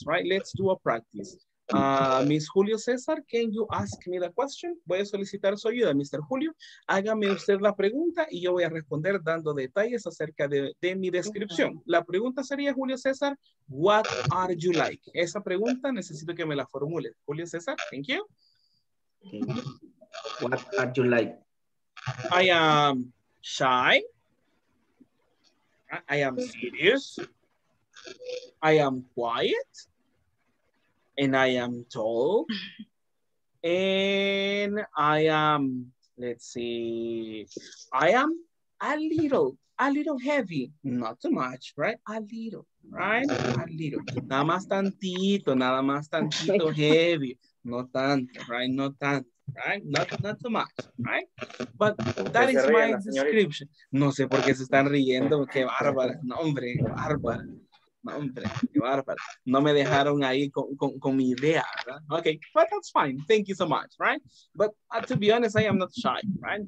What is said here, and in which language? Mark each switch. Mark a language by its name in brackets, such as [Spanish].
[English] Let's do a practice. Miss Julio César, can you ask me the question? [Spanish] Voy a solicitar su ayuda, Mr. Julio. Hágame usted la pregunta y yo voy a responder dando detalles acerca de mi descripción. La pregunta sería, [English] Julio César, what are you like? [Spanish] Esa pregunta necesito que me la formule. Julio César, [English] thank you. Okay. What are you like? I am shy. I am serious. I am quiet. And I am tall, and I am, let's see, I am a little heavy, not too much, right? A little, [Spanish] nada más tantito heavy, no tanto, right? [English] Not too much, right? But that is my description. [Spanish] No sé por qué se están riendo, qué bárbara, no hombre, bárbara. No, hombre, qué bárbaro. No me dejaron ahí con mi idea, ¿verdad? [English] Okay, but that's fine. Thank you so much, right? But to be honest, I am not shy, right?